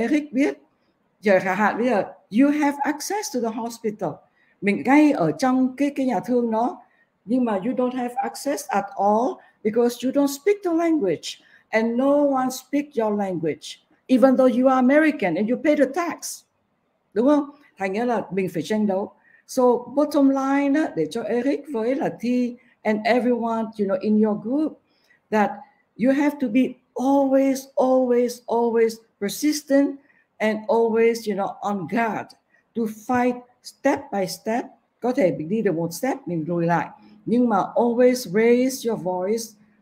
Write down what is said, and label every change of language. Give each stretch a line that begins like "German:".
Vietnamese: Eric biết giờ chẳng hạn bây giờ
English: you have access to the hospital,
Vietnamese: mình ngay ở trong cái nhà thương nó, nhưng mà
English: you don't have access at all because you don't speak the language and no one speak your language even though you are American and you pay the tax,
Vietnamese: đúng không? Thành ra là mình phải tranh đấu.
English: So bottom line đó,
Vietnamese: để cho Eric với là
English: Thi and everyone in your group that you have to be always always always persistent and always on guard to fight step by step.
Vietnamese: Có thể mình đi được một step mình lùi lại, nhưng mà
English: always raise your voice.